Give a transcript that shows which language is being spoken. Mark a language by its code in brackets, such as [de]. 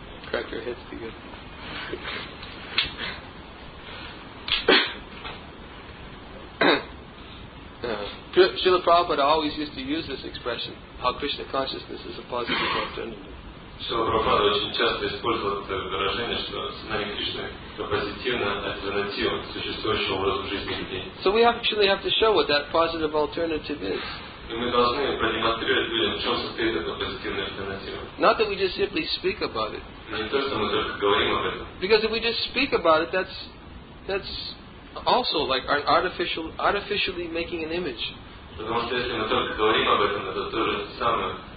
[en] Crack your heads together. Srila Prabhupada always used to use this expression, how Krishna consciousness is a positive alternative. [ru] Srila Prabhupada очень часто использовал это выражение, что сознание Кришны это позитивная альтернатива существующему образу жизни людей. [en] So we actually have to show what that positive alternative is. [ru] И мы должны продемонстрировать людям, в чем состоит эта позитивная альтернатива. [en] Not that we just simply speak about it. [ru] Но не то, что мы только говорим об этом. [en] Because if we just speak about it, that's also like artificially making an image. [ru] Потому что если мы только говорим об этом, это то же самое.